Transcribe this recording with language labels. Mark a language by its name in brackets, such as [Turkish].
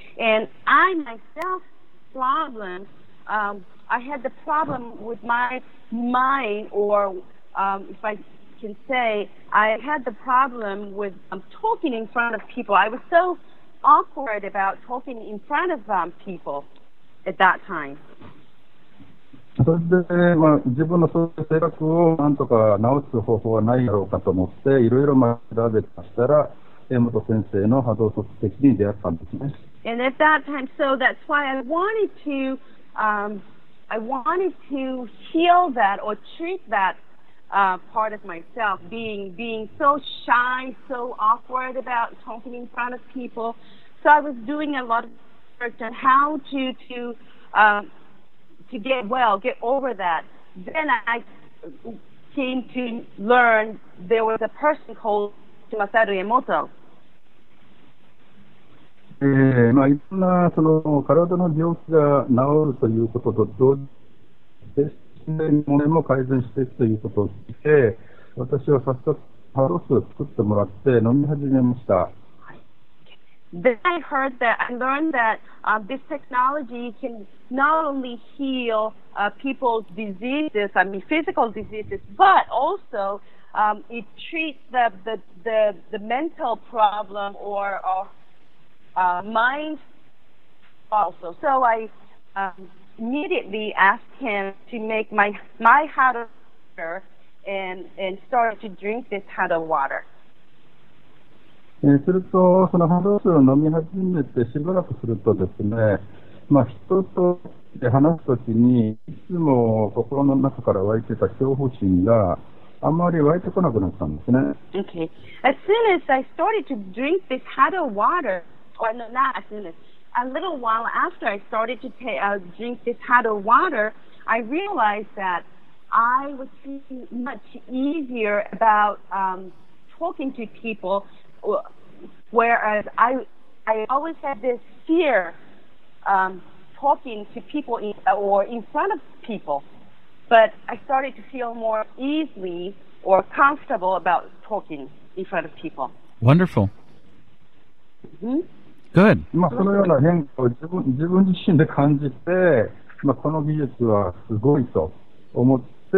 [English] And I myself problem, I had the problem with my mind, or if I can say, I had the problem with talking in front of people. I was so awkward about talking in front of people at that time. [Japanese] それで、まあ、自分のそういう性格をなんとか直す方法はないだろうかと思っていろいろ調べましたら江本先生の波動測定器に出会ったんですね。 [English] And at that time, so that's why I wanted to heal that or treat that part of myself, being so shy, so awkward about talking in front of people. So I was doing a lot of research on how to get well, get over that. Then I came to learn there was a person called Masaru Emoto. [Japanese] まあ、いろんなその体の病気が治るということと同時に精神の問題も改善していくということを聞いて、私は早速ハロスを作ってもらって飲み始めました。 [English] Then I heard that, I learned that this technology can not only heal people's diseases, I mean physical diseases, but also it treats the mental problem or mind also. So I immediately asked him to make my Hado water and started to drink this Hado water. [Japanese] すると、その波動水を飲み始めてしばらくするとですね、まあ、人と話すときに、いつも心の中から湧いてた恐怖心があまり湧いてこなくなったんですね。 [English] Okay. As soon as I started to drink this Hado water, or no, not as soon as, a little while after I started to drink this Hado water, I realized that I was feeling much easier about talking to people. Whereas I always had this fear talking to people in front of people, but I started to feel more easily or comfortable about talking in front of people. Wonderful. Good. [Japanese] まあそのような変化を自分自身で感じて、まあこの技術はすごいと思って。